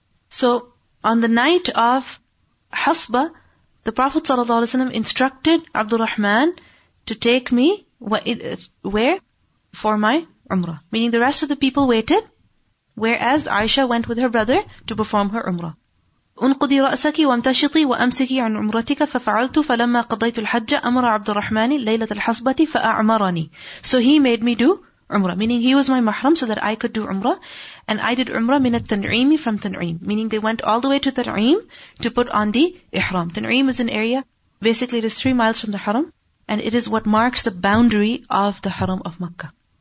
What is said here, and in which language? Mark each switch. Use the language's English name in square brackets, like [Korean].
[English] So, on the night of Hasba, the Prophet ﷺ instructed Abdurrahman to take me where? For my Umrah. Meaning the rest of the people waited, whereas Aisha went with her brother to perform her Umrah. [Arabic] أنقضي رأسك وامتشطي وأمسكي عن عمرتك ففعلت فلما قضيت الحج أمر عبد الرحمن ليلة الحصبة فأعمرني. [English] So he made me do Umrah, meaning he was my mahram so that I could do Umrah. And I did Umrah [Arabic] من التنعيم, [English] from تنعيم, meaning they went all the way to تنعيم to put on the Ihram. تنعيم is an area, basically it is 3 miles from the Haram, and it is what marks the boundary of the Haram of Makkah.